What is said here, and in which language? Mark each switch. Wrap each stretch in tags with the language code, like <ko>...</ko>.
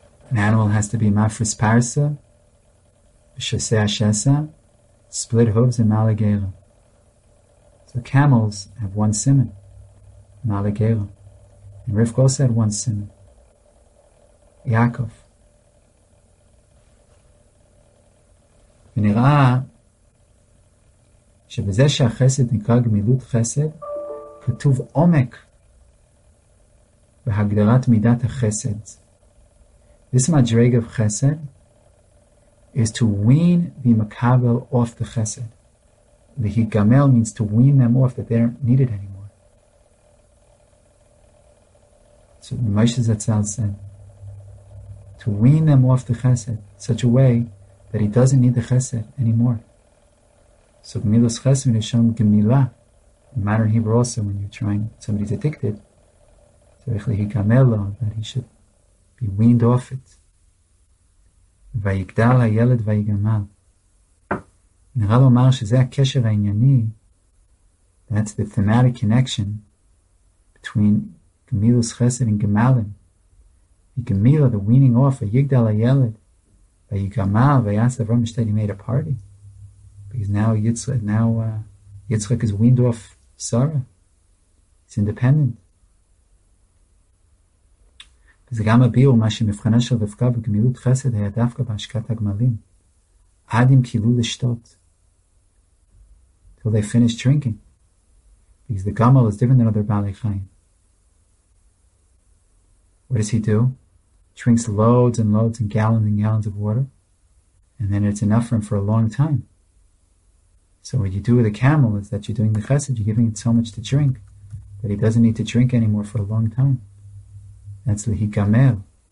<en>An animal has to be mafris parsa, shasea shesa, split hooves and malagera. So camels have one siman, malagera. And Rivka also had one siman, Yaakov.</en> <he>ונראה שבזה שהחסד נקרא גמילות חסד, כתוב עומק בהגדרת מידת החסד.</he> <en>This madrig of chesed is to wean the makabel off the chesed. Lihigamel means to wean them off, that they don't need it anymore. So Moshe Zatzal said, to wean them off the chesed in such a way that he doesn't need the chesed anymore. So gemilas chesed is shown gemila. In modern Hebrew also, when you're trying, somebody's addicted, that he should be weaned off it.</en> <he>Vayigdal hayeled vayigamal. נראה לומר שזה הקשר הענייני,</he> <en>that's the thematic connection between gemilus chesed and gemalim. The gemila, the weaning off, vayigdal hayeled, vayigamal, vayasav Ram, instead he made a party. Because now Yitzchak is weaned off Sarah. It's independent.</en> <he>וזה גם הביאו מה שמבחנה של רבקה בגמילות חסד היה דווקא בהשקת הגמלים, עד אם קילו לשתות.</he> <en>Till they finished drinking. Because the gamal is different than other balei chayim. What does he do? Drinks loads and loads and gallons of water. And then it's enough for him for a long time. So what you do with a camel is that you're doing the chesed, you're giving it so much to drink that he doesn't need to drink anymore for a long time. That's lihigamel.</en>